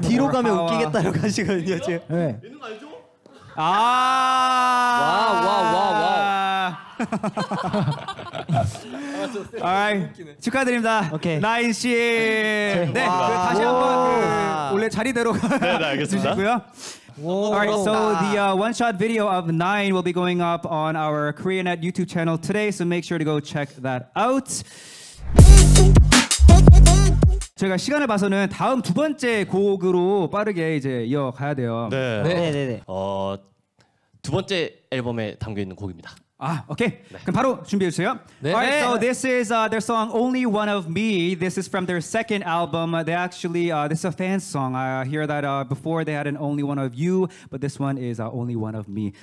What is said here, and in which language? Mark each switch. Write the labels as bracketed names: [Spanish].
[Korean] 뒤로 가면 웃기겠다 이런 가시거든요 지금. 예능 알죠? 알라이 축하드립니다. 오케이. 나인 씨. 네. 다시 한번 원래 자리대로 네, 알겠습니다. 주시고요. [English] Alright, so the one-shot video of Nine will be going up on our KoreaNet YouTube channel today, so make sure to go check that out. [Korean] 저희가 시간을 봐서는 다음 두 번째 곡으로 빠르게 이제 이어가야 돼요. 네. 두 번째 앨범에 담겨 있는 곡입니다. 아, 오케이. 네. 그럼 바로 준비해 주세요. 네. [English] All right, so this is their song Only One of Me. This is from their second album. They actually this is a fan song. I hear that before they had an Only One of You, but this one is Only One of Me.